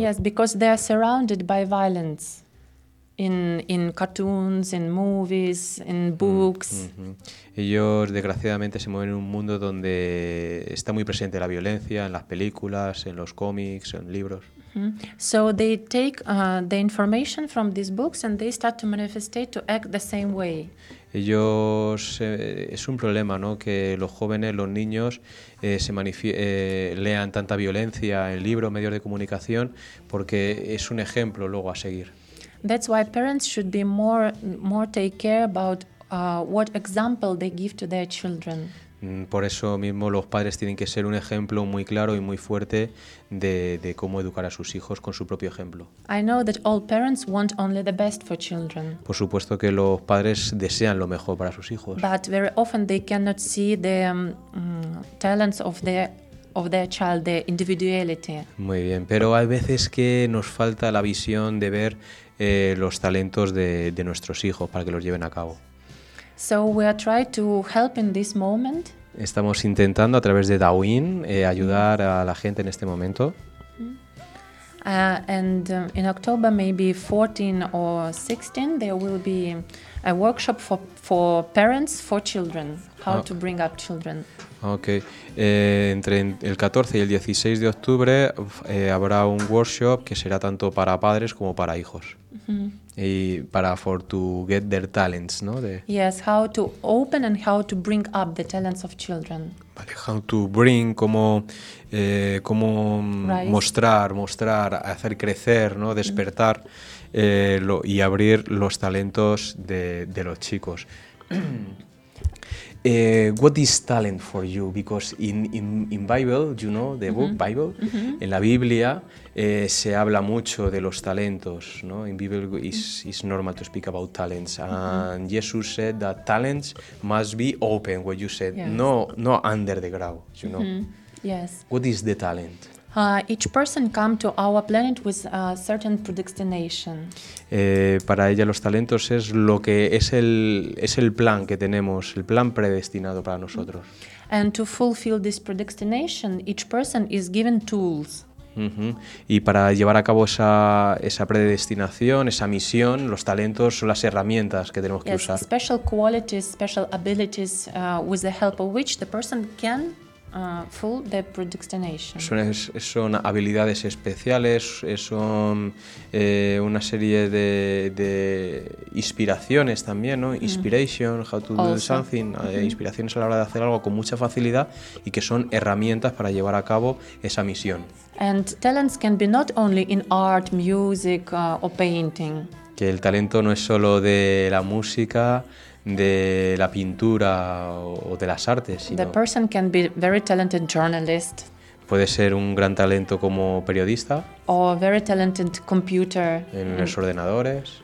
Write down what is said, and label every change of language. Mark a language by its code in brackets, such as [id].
[en] Yes, because they are surrounded by violence in cartoons, in movies, in books. Mm-hmm. [es] Ellos desgraciadamente se mueven en un mundo donde está muy presente la violencia en las películas, en los cómics, en libros. Mm-hmm. [en] So they take the information from these books and they start to manifest to act the same way. [es] Ellos es un problema, ¿no? Que los jóvenes, los niños lean tanta violencia en libros, medios de comunicación, porque es un ejemplo luego a seguir. [en] That's why parents should be more take care about what example they give to their children. [es] Por eso mismo los padres tienen que ser un ejemplo muy claro y muy fuerte de cómo educar a sus hijos con su propio ejemplo. [en] I know that all parents want only the best for children. [es] Por supuesto que los padres desean lo mejor para sus hijos. [en] But very often they cannot see the talents of their child, their individuality. [es] Muy bien, pero hay veces que nos falta la visión de ver los talentos de nuestros hijos para que los lleven a cabo. [en] So we are trying to help in this moment. [es] Estamos intentando a través de Dawin ayudar a la gente en este momento. [en] And in October maybe 14 or 16 there will be a workshop for parents for children, how to bring up children. Okay. [es] Entre el 14 y el 16 de octubre habrá un workshop que será tanto para padres como para hijos. Mm-hmm. Y para [en] for to get their talents, [es] ¿no? [en] Yes, how to open and how to bring up the talents of children. [es] Vale, [en] how to bring, [es] cómo [en] right. [es] mostrar, hacer crecer, ¿no? Despertar mm-hmm. Y abrir los talentos de los chicos. [en] What is talent for you? Because in Bible, you know, the mm-hmm. book Bible, mm-hmm. [es] en la Biblia se habla mucho de los talentos, ¿no? [en] In Bible is normal to speak about talents. Mm-hmm. And Jesus said that talents must be open, what you said, yes. no under the ground, you know. Mm-hmm. Yes. What is the talent? Each person come to our planet with a certain predestination. [es] Para ella los talentos es lo que es el plan que tenemos, el plan predestinado para nosotros. [en] And to fulfill this predestination, each person is given tools. Uh-huh. [es] Y para llevar a cabo esa predestinación, esa misión, los talentos son las herramientas que tenemos que usar. [en] Special qualities, special abilities, with the help of which the person can. Full the predestination. [es] Son habilidades especiales, son una serie de inspiraciones también, ¿no? [en] Inspiration, mm. how to also. Do something, mm-hmm. [es] inspiraciones a la hora de hacer algo con mucha facilidad y que son herramientas para llevar a cabo esa misión. [en] And talents can be not only in art, music, or painting. [es] Que el talento no es solo de la música, de la pintura o de las artes. [en] The person can be very talented journalist. [es] Puede ser un gran talento como periodista. [en] Or very talented computer. [es] En los ordenadores.